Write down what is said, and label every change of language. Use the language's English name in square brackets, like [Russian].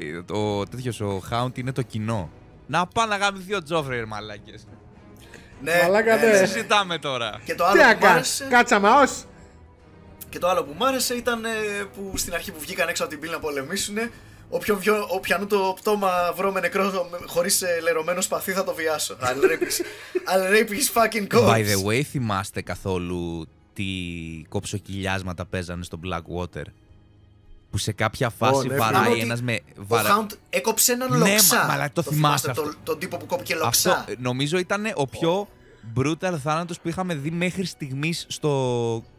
[Greek] Ο τέτοιος, ο Hound είναι το κοινό. Να πάει να γαμηθεί ο Τζόφρι, μαλάκες. Ναι, συζητάμε τώρα. Και το άλλο κάτσαμε, ως. Και το άλλο που μου άρεσε ήταν που στην αρχή που βγήκαν έξω από την πύλη να πολεμήσουν, όποιον το πτώμα βρω με νεκρό χωρίς λερωμένο σπαθί θα το βιάσω. [English] I'll rape his fucking corpse. By the way, [Greek] θυμάστε καθόλου τι κοψοκυλιάσματα παίζανε στο Blackwater? Που σε κάποια φάση βαράει ένας με... Ο Hound έκοψε έναν λοξά. Ναι, μαλά, το θυμάστε αυτό. Τον τύπο που κόπηκε λοξά. Αυτό νομίζω ήταν ο πιο brutal θάνατος που είχαμε δει μέχρι στιγμής στο...